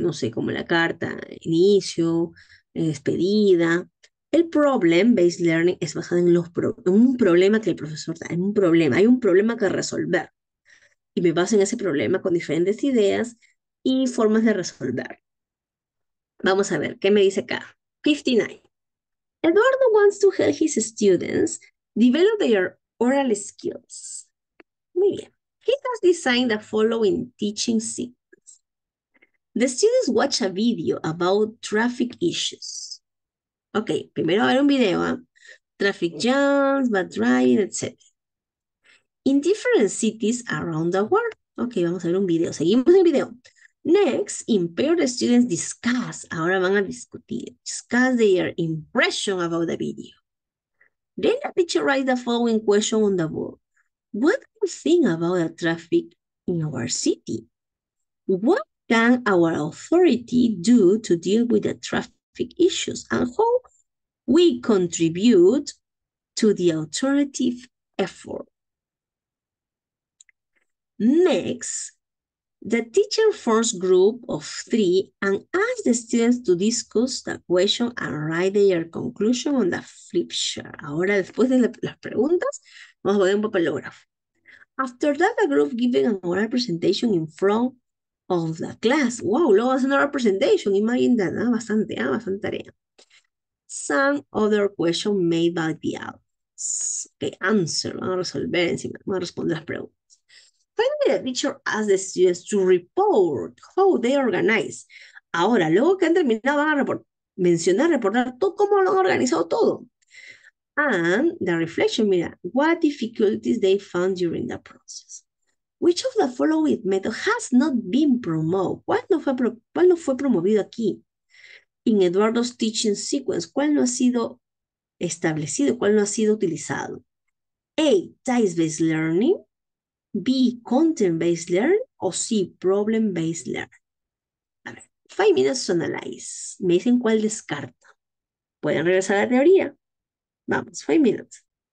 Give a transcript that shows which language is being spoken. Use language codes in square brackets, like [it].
[es] No sé, como la carta, inicio, despedida. El problem-based learning es basado en en un problema que el profesor da, en un problema. Hay un problema que resolver. Y me baso en ese problema con diferentes ideas y formas de resolver. Vamos a ver, ¿qué me dice acá? 59. [en] Eduardo wants to help his students develop their oral skills. [es] Muy bien. [en] He has designed the following teaching sequence. The students watch a video about traffic issues. [es] Ok, primero va a ver un video, ¿eh? [en] Traffic jams, bad driving, etc. In different cities around the world. [es] Ok, vamos a ver un video. Seguimos el video. [en] Next, impaired students discuss. [es] Ahora van a discutir. [en] Discuss their impression about the video. Then the teacher writes the following question on the board. What do you think about the traffic in our city? What can our authority do to deal with the traffic issues and how we contribute to the alternative effort? Next, the teacher forms group of three and asks the students to discuss the question and write their conclusion on the flip chart. [es] Ahora, después de las preguntas, vamos a poner un papelógrafo. [en] After that, the group gives an oral presentation in front of the class. [es] Wow, luego hacen una representation. [en] Imagine that, [es] ¿no? Bastante, ¿no? Bastante tarea. [en] Some other question made by the others. [es] Okay, answer. Van a resolver encima. Van a responder las preguntas. [en] Finally, the teacher asks the students to report how they organize. [es] Ahora, luego que han terminado, van a reportar todo cómo lo han organizado todo. [en] And the reflection, mira, what difficulties they found during the process. Which of the following methods has not been promoted? [es] ¿Cuál no fue promovido aquí? En Eduardo's Teaching Sequence, ¿cuál no ha sido establecido? ¿Cuál no ha sido utilizado? [en] A. Task-based learning. B. Content-based learning. O C. Problem-based learning. [es] A ver, [en] 5 minutes to analyze. [es] Me dicen cuál descarta. Pueden regresar a la teoría. [en] Vamos, 5 minutes.